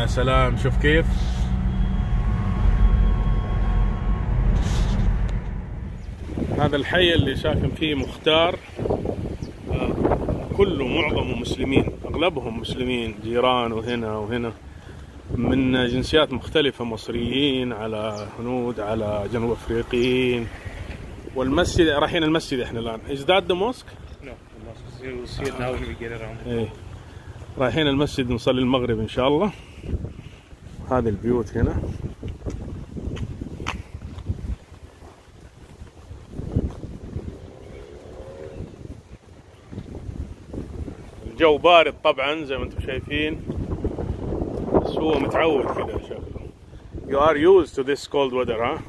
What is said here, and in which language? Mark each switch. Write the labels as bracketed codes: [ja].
[ar] يا سلام، شوف كيف هذا الحي اللي ساكن فيه مختار كله معظمه مسلمين، أغلبهم مسلمين، جيران وهنا وهنا من جنسيات مختلفة، مصريين على هنود على جنوب أفريقيين. والمسجد رايحين المسجد إحنا الآن. [en] Is that the mosque? No, the mosque. We'll see it now when we get around. [ar] رايحين المسجد نصلي المغرب إن شاء الله. هذه البيوت هنا. الجو بارد طبعا زي ما انتم شايفين، بس هو متعود كده شكله. [en] You are used to this cold weather, huh?